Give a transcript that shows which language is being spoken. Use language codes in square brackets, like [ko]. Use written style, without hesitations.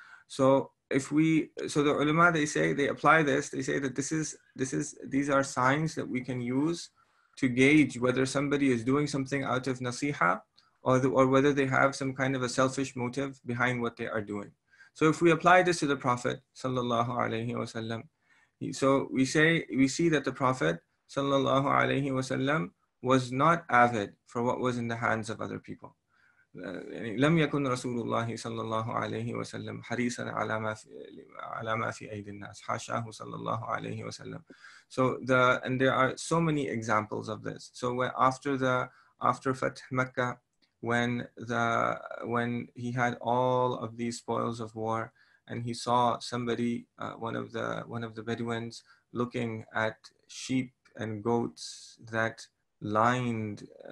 [en] So if we, so the ulama, they say, they apply this, they say that these are signs that we can use to gauge whether somebody is doing something out of nasiha or whether they have some kind of a selfish motive behind what they are doing. So if we apply this to the Prophet sallallahu alaihi wasallam, so we see that the Prophet sallallahu alaihi wasallam was not avid for what was in the hands of other people. [ar] لم يكن رسول الله صلى الله عليه وسلم حريصا على ما في أيدي الناس حاشاه صلى الله عليه وسلم. [en] So the, and there are so many examples of this. So after Fath Mecca, when he had all of these spoils of war, and he saw somebody, one of the Bedouins, looking at sheep and goats that lined